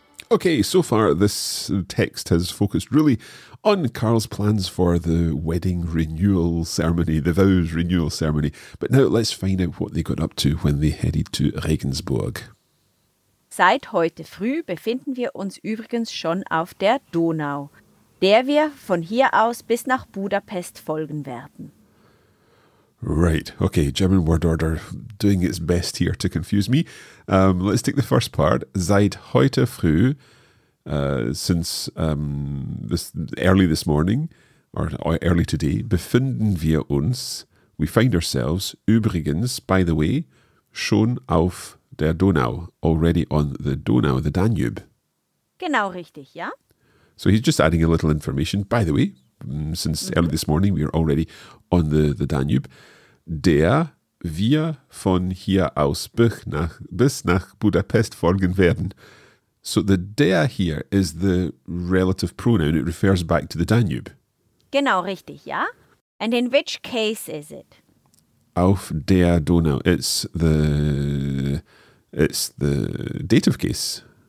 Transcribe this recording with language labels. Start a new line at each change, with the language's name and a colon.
English: Okay, so far this text has focused really on Carl's plans for the wedding renewal ceremony, the vows renewal ceremony. But now let's find out what they got up to when they headed to Regensburg.
German: Seit heute früh befinden wir uns übrigens schon auf der Donau, der wir von hier aus bis nach Budapest folgen werden.
English: Right, okay, German word order doing its best here to confuse me. Let's take the first part.
German: Seit heute früh,
English: since this early this morning, or early today,
German: befinden wir uns,
English: we find ourselves, übrigens, by the way,
German: schon auf der Donau,
English: already on the Donau, the Danube.
German: Genau richtig, ja.
English: So he's just adding a little information. By the way, since early this morning, we are already on the Danube.
German: Der wir von hier aus bis nach Budapest folgen werden.
English: So the der here is the relative pronoun. It refers back to the Danube.
German: Genau, richtig, ja?
English: And in which case is it? Auf der Donau. It's the dative case.